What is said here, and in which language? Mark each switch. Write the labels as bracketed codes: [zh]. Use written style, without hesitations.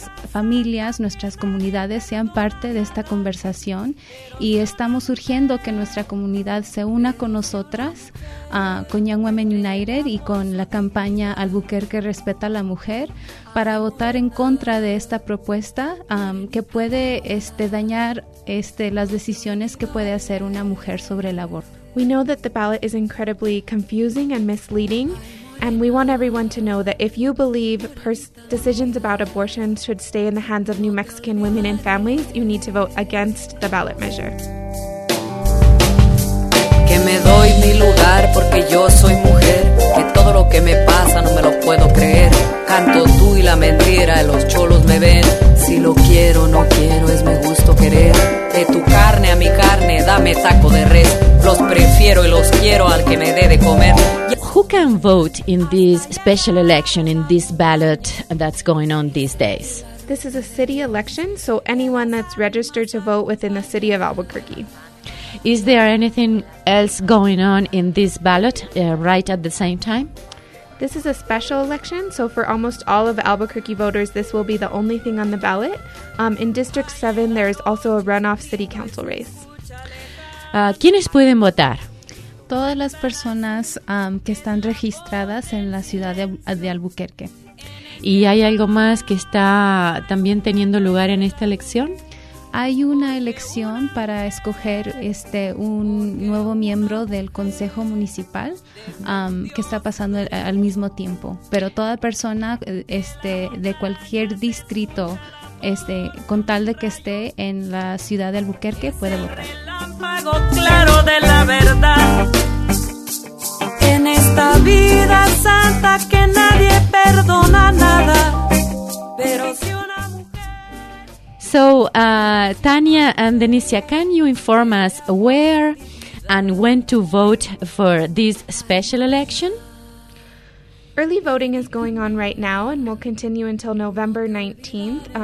[es] familias, nuestras comunidades sean parte de esta conversación, y estamos urgiendo que nuestra comunidad se una con nosotras, con Young Women United y con la campaña Albuquerque Respeta a la Mujer, para votar en contra de esta propuesta que puede dañar las decisiones que puede hacer una mujer sobre el aborto. [en] We know that the ballot is incredibly confusing and misleading. And we want everyone to know that if you believe decisions about abortion should stay in the hands of New Mexican women and families, you need to vote against the ballot measure. [es] Que me doy mi lugar porque yo soy mujer, que todo lo que me pasa no me lo puedo creer. Canto tú y la mentira, los cholos me ven. Si lo quiero, no quiero, es mi gusto querer. De tu carne a mi carne, dame saco de res. Los prefiero y los quiero al que me dé de comer. [en] Who can vote in this special election, in this ballot that's going on these days? This is a city election, so anyone that's registered to vote within the city of Albuquerque. Is there anything else going on in this ballot right at the same time? This is a special election, so for almost all of Albuquerque voters, this will be the only thing on the ballot. In District 7, there is also a runoff city council race. [es] ¿Quiénes pueden votar? Todas las personas que están registradas en la ciudad de Albuquerque. ¿Y hay algo más que está también teniendo lugar en esta elección? Hay una elección para escoger un nuevo miembro del Consejo Municipal que está pasando al mismo tiempo. Pero toda persona de cualquier distrito, con tal de que esté en la ciudad de Albuquerque, puede votar. El apago claro de la verdad. En esta vida santa que nadie perdona nada. Pero si una mujer... [en] So, Tania and Denicia, can you inform us where and when to vote for this special election? Early voting is going on right now and will continue until November 19th.